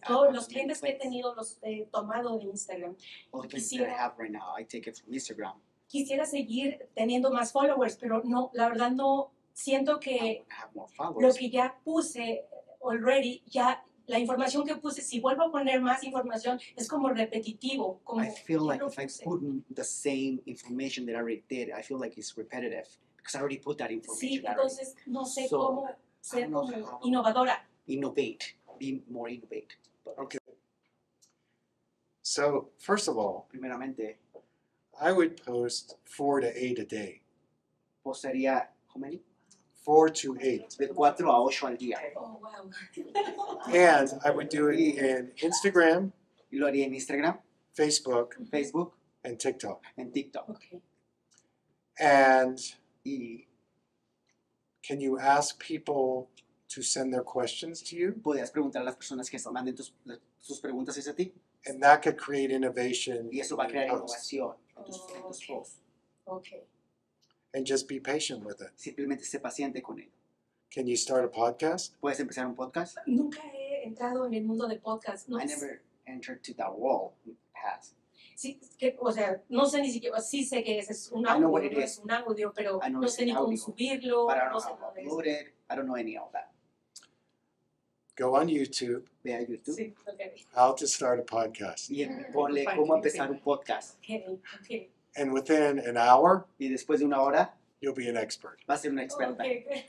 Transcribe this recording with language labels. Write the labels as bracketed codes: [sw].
[es] Todos los clientes que he tenido los he tomado de Instagram. Quisiera, [en] that I have right now, I take it from Instagram. [es] Quisiera seguir teniendo más followers, pero no, la verdad no. Siento que lo que ya puse [en] already, [es] ya la información que puse, si vuelvo a poner más información, es como repetitivo. Como [en] I feel like if I put the same information that I already did, I feel like it's repetitive because I already put that information. [es] Sí, entonces no sé cómo ser [en] how [es] innovadora. [en] Innovate, be more innovate. Okay. So, first of all, [es] primeramente, [en] I would post 4 to 8 a day. [es] Postaría, [en] how many? 4 to 8. [es] De 4 a 8 al día. [en] Oh, wow. And I would do it in Instagram. [es] Y lo haría en Instagram. [en] Facebook. [es] Facebook. [en] And TikTok. And TikTok. Okay. And [es] y [en] can you ask people to send their questions to you? [es] ¿Podrías preguntar a las personas que manden sus preguntas hacia ti? [en] And that could create innovation. [es] Y eso va a crear innovación. [en] Okay. And just be patient with it. [es] Simplemente sé paciente con él. [en] Can you start a podcast? [es] ¿Puedes empezar un podcast? Nunca he entrado en el mundo de podcast. No, [en] I never entered to that wall in the past. [es] Sí, o sea, no sé ni siquiera, sí sé que es un audio, no es un audio, pero no sé ni cómo subirlo. [en] But I don't know how to upload it. I don't know any of that. Go on YouTube. [es] Ve a YouTube. Sí, okay. [en] How to start a podcast. [es] Y ponle cómo empezar un podcast. [en] Okay. And within an hour, [es] y después de una hora, [en] you'll be an expert. [es] Vas a ser un experto. [en] Okay.